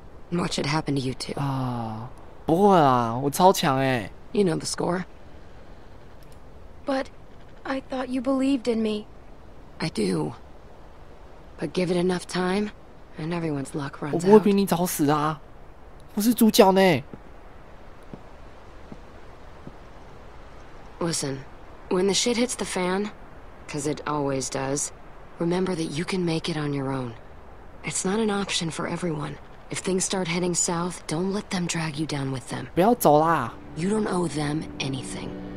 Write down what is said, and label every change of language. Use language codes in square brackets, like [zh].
[en] What should happen to you two? [zh] 啊，不会啦，我超强欸。 [en] You know the score. But I thought you believed in me. I do. But give it enough time, and everyone's luck runs out. [zh] 我不会比你早死啊，我是主角呢。 [en] Listen, when the shit hits the fan, because it always does, remember that you can make it on your own. It's not an option for everyone. If things start heading south, don't let them drag you down with them. [zh] 不要走啦。 [en] You don't owe them anything.